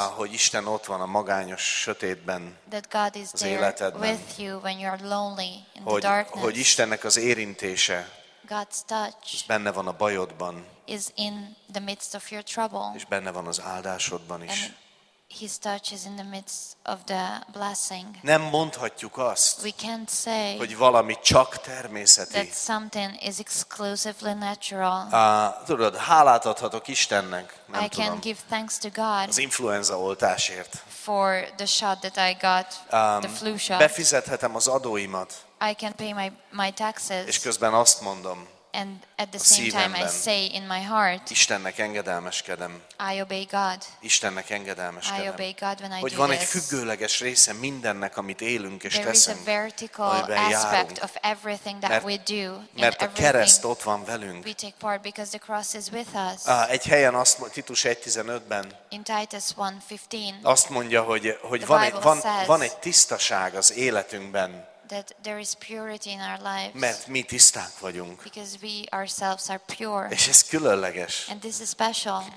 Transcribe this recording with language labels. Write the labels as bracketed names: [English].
[Hungarian] hogy Isten ott van a magányos sötétben. [English] That God is there with you when you're lonely in the darkness. [Hungarian] Hogy Istennek az érintése. [English] God's touch. [Hungarian] És benne van a bajodban. [English] Is in the midst of your trouble. [Hungarian] És benne van az áldásodban is. [English] His touch is in the midst of the blessing. [Hungarian] Nem mondhatjuk azt. [English] We can't say. [Hungarian] Hogy valami csak természeti. [English] That something is exclusively natural. [Hungarian] Tudod, hálát adhatok Istennek, nem tudom. [English] I can give thanks to God. [Hungarian] Az influenza oltásért. [English] For the shot that I got, the flu shot. [Hungarian] Befizethetem az adóimat. [English] I can pay my taxes. [Hungarian] És közben azt mondom. [English] And at the same time I say in my heart, [Hungarian] Istennek engedelmeskedem. [English] I obey God. [Hungarian] Istennek engedelmeskedem. [English] I obey God when I do this. [Hungarian] Hogy van egy függőleges része mindennek, amit élünk és [English] there [Hungarian] teszünk. [English] There is a vertical aspect of everything that we do. [Hungarian] Mert a kereszt ott van velünk. [English] We take part because the cross is with us. [Hungarian] Egy helyen azt mondja, Titus 1:15-ben. [English] In Titus 1:15. [Hungarian] Azt mondja, hogy van egy tisztaság az életünkben. [English] That there is purity in our lives. [Hungarian] Mert mi tiszták vagyunk. [English] Because we ourselves are pure. [Hungarian] És ez különleges. [English] And this is special.